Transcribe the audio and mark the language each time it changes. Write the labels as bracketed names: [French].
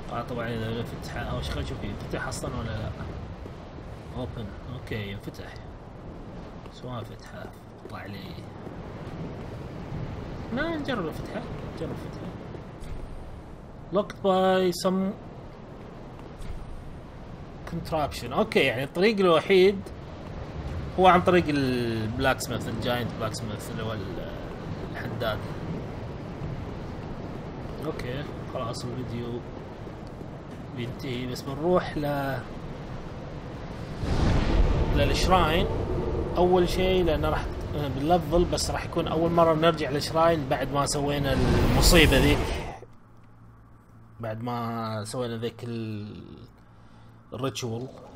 [Arabic] طبعا اذا فتح او ايش، خلينا نشوف ينفتح اصلا ولا لا. اوبن اوكي ينفتح، سواء فتحه طلع لي. ما نجرب الفتحه، نجرب الفتحه. [English] Locked by some contraption. [Arabic] اوكي يعني الطريق الوحيد هو عن طريق البلاك سميث، الجاينت بلاك سميث اللي هو الحداد. اوكي خلاص الفيديو بينتهي، بس بنروح للشراين اول شيء، لان راح بنلفل، بس راح يكون اول مره نرجع للشراين بعد ما سوينا المصيبه ذي، بعد ما سوينا ذيك الريتشول.